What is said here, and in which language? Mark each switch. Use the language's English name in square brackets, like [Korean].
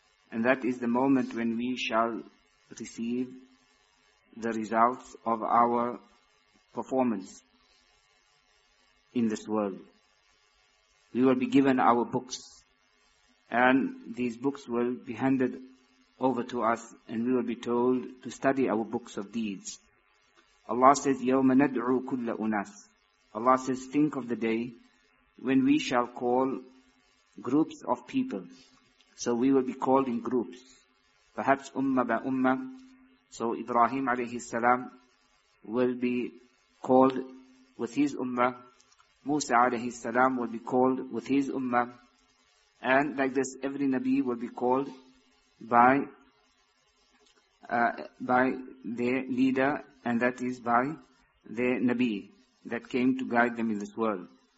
[English] And that is the moment when we shall receive the results of our performance in this world. We will be given our books, and these books will be handed over to us, and we will be told to study our books of deeds. Allah says, [Arabic] يَوْمَ نَدْعُو كُلَّ أُنَاسٍ. [English] Allah says, think of the day when we shall call groups of people. So we will be called in groups, perhaps ummah by ummah. So Ibrahim alayhi salam will be called with his ummah, Musa alayhi salam will be called with his ummah, and like this every Nabi will be called by their leader, and that is by their Nabi that came to guide them in this world.